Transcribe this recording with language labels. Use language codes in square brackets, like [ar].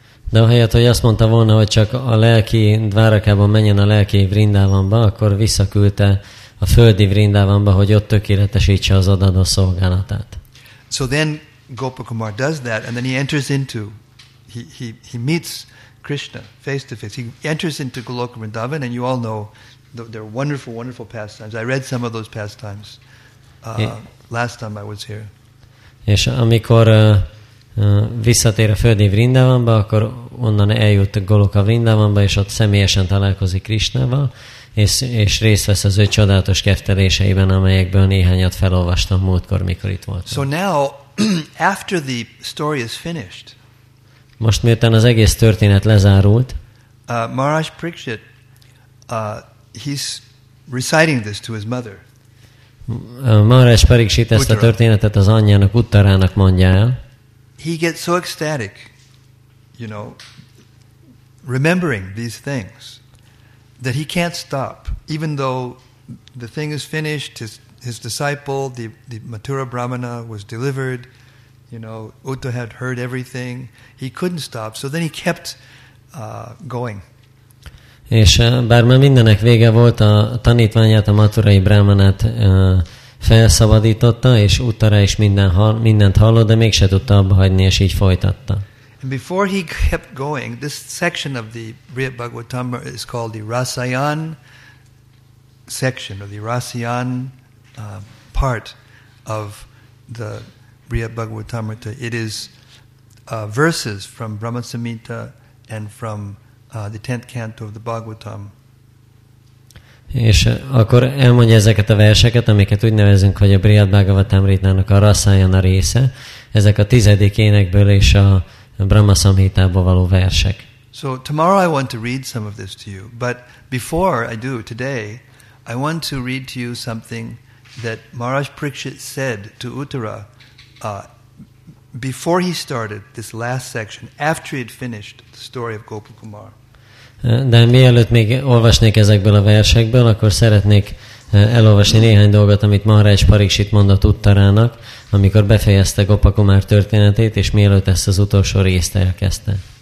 [hu] De ahelyett, hogy azt mondta volna, hogy csak a lelki Dvárakában menjen a lelki Vrindavanba, akkor visszaküldte a földi Vrindavanba, hogy ott tökéletesítse az odaadó szolgálatát. [en] So then Gopa Kumar does that, and then he enters into, he meets Krishna face to face. He enters into Goloka Vrindavan, and you all know there are wonderful, wonderful pastimes. I read some of those pastimes last time I was here. [hu] És amikor visszatér a földi Vrindavanba, akkor onnan eljut Goloka Vrindavanba, és ott személyesen találkozik Krishnával, és részt vesz az ő csodálatos kefteléseiben, amelyekből néhányat felolvastam múltkor, mikor itt voltam. [en] So now, after the story is finished, [hu] most miután az egész történet lezárult, [en] Maharaj Parikshit, he's reciting this to his mother. [hu] Maharaj Parikshit ezt a történetet az anyjának, Uttarának mondja el. [en] He gets so ecstatic, you know, remembering these things, that he can't stop. Even though the thing is finished, his disciple, the Mathura Brahmana, was delivered, you know, Uttara had heard everything, he couldn't stop. So then he kept going. [hu] És bár már mindenek vége volt, a tanítványát, a Mathurai Brahmanát felszabadította, és Uttara is mindent hallott, de mégse tudta abba hagyni, és így folytatta. [en] And before he kept going, this section of the Brihat Bhagavatam is called the Rasayan section, or the Rasayan part of the Brihat Bhagavatamrita. It is verses from Brahma Samhita and from the 10th canto of the Bhagavatam. [hu] És akkor elmondja ezeket a verseket, amiket úgy nevezünk, hogy a Brihat Bhagavatamritának a Rasayana része, ezek a tizedik énekből és a Brahma Samhitából való versek. [en] So tomorrow I want to read some of this to you, but before I do, today I want to read to you something that Maharaj Parikshit said to Uttara before he started this last section, after he had finished the story of Gopa Kumar. [hu] De mielőtt még olvasnék ezekből a versekből, akkor szeretnék elolvasni néhány dolgot, amit Maharaj Parikshit mondott Uttarának, amikor befejezte Gopa Kumar történetét, és mielőtt ezt az utolsó részt elkezdte.